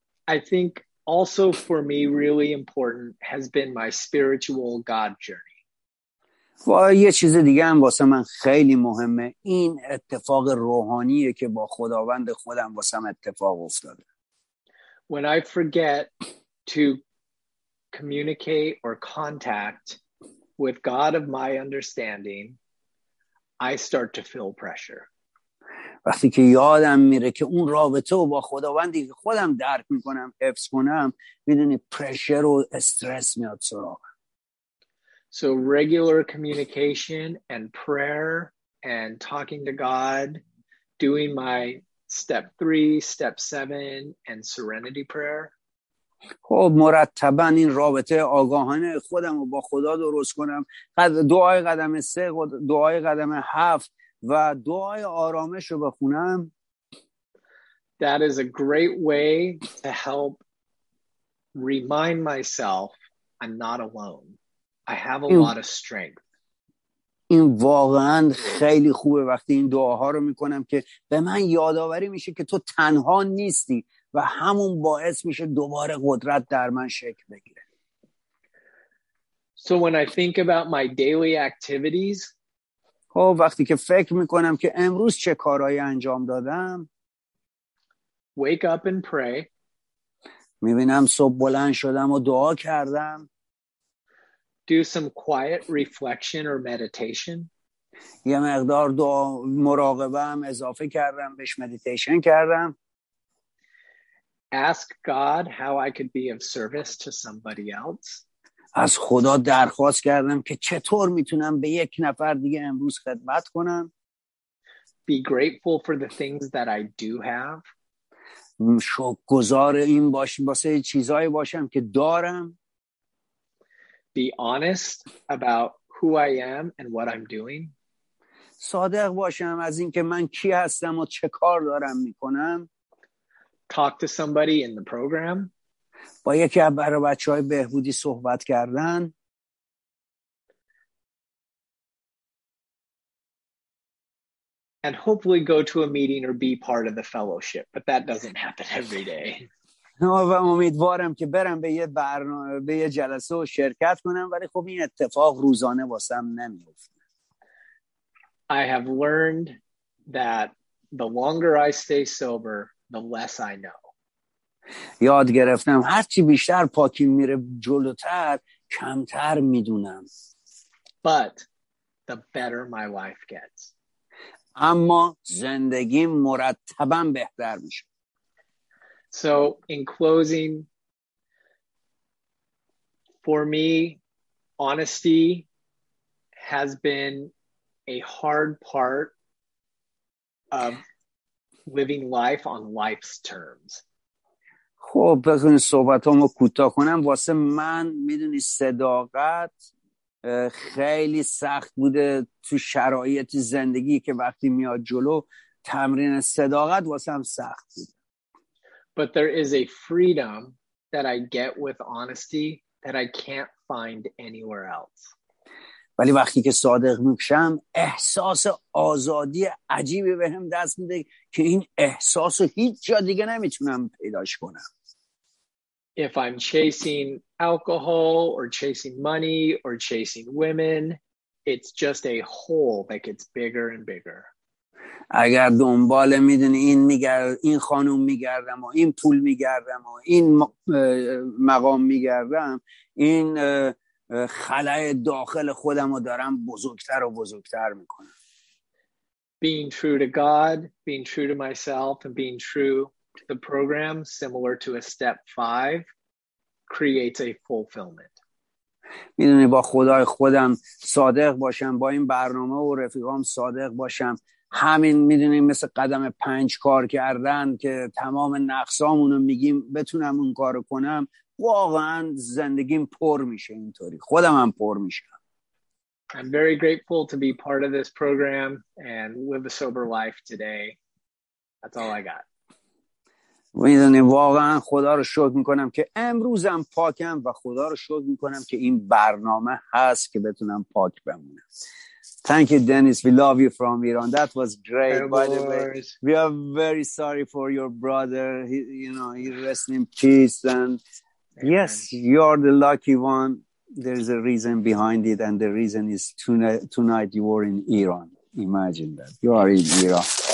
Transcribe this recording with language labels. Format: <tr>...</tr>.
<en>I think also for me really important has been my spiritual God journey.</en> <fa>و یه چیز دیگه هم واسه من خیلی مهمه، این اتفاق روحانیه که با خداوند خودم واسم اتفاق افتاده.</fa> <en>When I forget to communicate or contact with God of my understanding, I start to feel pressure.</en> <fa>وقتی که یادم میره که اون رابطه رو با خداوندی که خودم درک میکنم حفظ کنم، میدونی پرشر و استرس میاد سراغ.</fa> <en>So regular communication and prayer and talking to God, doing my step 3, step 7 and serenity prayer.</en> <fa>خب مرتبا این رابطه آگاهانه خودم رو با خدا درست کنم، دعای قدم 3 و دعای قدم 7 و دعای آرامش رو بخونم.</fa> <en>That is a great way to help remind myself I'm not alone. I have a lot of strength.</en> <fa>این واقعا خیلی خوبه وقتی این دعاها رو میکنم که به من یادآوری میشه که تو تنها نیستی و همون باعث میشه دوباره قدرت در من شکل بگیره.</fa> <en>So when I think about my daily activities,</en> <fa>وقتی که فکر میکنم که امروز چه کارهایی انجام دادم،</fa> <en>wake up and pray.</en> <fa>میبینم صبح بلند شدم و دعا کردم.</fa> <en>Do some quiet reflection or meditation.</en> <fa>یه مقدار دعا مراقبه هم اضافه کردم، بهش مدیتیشن کردم.</fa> <en>Ask God how I could be of service to somebody else.</en> <fa>از خدا درخواست کردم که چطور میتونم به یک نفر دیگه امروز خدمت کنم.</fa> <en>Be grateful for the things that I do have.</en> <fa>شکرگزار این باشم واسه چیزایی باشم که دارم.</fa> <en>Be honest about who I am and what I'm doing.</en> <fa>صادق باشم از اینکه من کی هستم و چه کار دارم میکنم.</fa> <en>Talk to somebody in the program.</en> <fa>با یکی از برای بچه های بهبودی صحبت کردن.</fa> <en>And hopefully go to a meeting or be part of the fellowship, but that doesn't happen every day.</en> <fa>و امیدوارم که برم به یه برنامه، به یه جلسه و شرکت کنم، ولی خب این اتفاق روزانه واسم نمیفته.</fa> <en>I have learned that the longer I stay sober, the less I know.</en> <fa>یاد گرفتم هرچی بیشتر پاکی میره جلوتر کمتر میدونم.</fa> <en>But the better my life gets.</en> <fa>اما زندگیم مرتبا بهتر میشه.</fa> <en>So in closing, for me, honesty has been a hard part of living life on life's terms.</en> <fa>خب بزنین صحبتامو کوتاه کنم. واسه من میدونی صداقت خیلی سخت بوده تو شرایط زندگی که وقتی میاد جلو تمرین صداقت واسه هم سخت بود.</fa> <en>But there is a freedom that I get with honesty that I can't find anywhere else.</en> <fa>ولی وقتی که صادق میشم احساس آزادی عجیبی بهم دست میده که این احساسو هیچ جا دیگه نمیتونم پیداش کنم.</fa> <en>If I'm chasing alcohol or chasing money or chasing women, it's just a hole that gets bigger and bigger.</en> <fa>اگر دنبال میدونی این میگردم، این خانوم میگردم و این پول میگردم و این مقام میگردم، این خلای داخل خودم رو دارم بزرگتر و بزرگتر میکنم.</fa> <en>Being true to God, being true to myself, and being true to the program, similar to a step 5, creates a fulfillment.</en> <fa>میدونی با خدای خودم صادق باشم، با این برنامه و رفیقام صادق باشم، همین میدونیم مثل قدم 5 کار کردن که تمام نقصامونو میگیم بتونم اون کارو کنم، واقعا زندگیم پر میشه اینطوری، خودم هم پر میشم.</fa> <en>I'm very grateful to be part of this program and live a sober life today. That's all I got.</en> <fa>میدونیم واقعا خدا رو شکر میکنم که امروزم پاکم و خدا رو شکر میکنم که این برنامه هست که بتونم پاک بمونم.</fa> <en>Thank you, Dennis. We love you from Iran. That was great. By the way, we are very sorry for your brother. He, you know, he rests in peace. And amen. Yes, you are the lucky one. There's a reason behind it. And the reason is tonight you were in Iran. Imagine that. You are in Iran.</en>